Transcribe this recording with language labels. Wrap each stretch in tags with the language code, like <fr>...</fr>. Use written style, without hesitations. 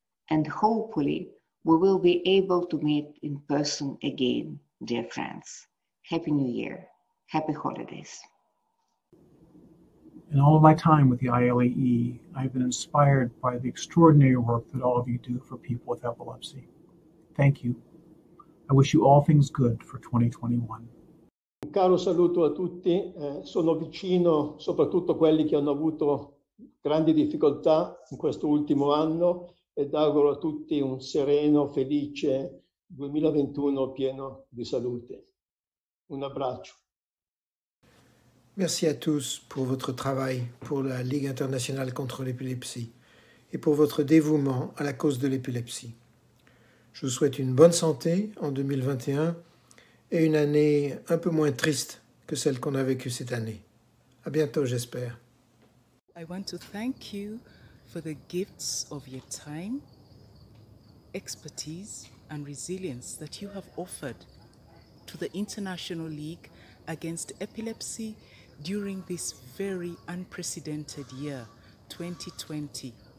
<en>And hopefully we will be able to meet in person again, dear friends. Happy New Year. Happy holidays. In all of my time with the ILAE, I've been inspired by the extraordinary work that all of you do for people with epilepsy. Thank you. I wish you all things good for 2021.</en> <it>Un caro saluto a tutti, sono vicino soprattutto a quelli che hanno avuto grandi difficoltà in questo ultimo anno ed auguro a tutti un sereno, felice 2021 pieno di salute. Un abbraccio.</it> <fr>Merci à tous pour votre travail pour la Ligue internationale contre l'épilepsie et pour votre dévouement à la cause de l'épilepsie. Je vous souhaite une bonne santé en 2021. Et une année un peu moins triste que celle qu'on a vécue cette année. À bientôt, j'espère.</fr> <en>I want to thank you for the gifts of your time, expertise, and resilience that you have offered to the International League Against Epilepsy during this very unprecedented year, 2020.</en>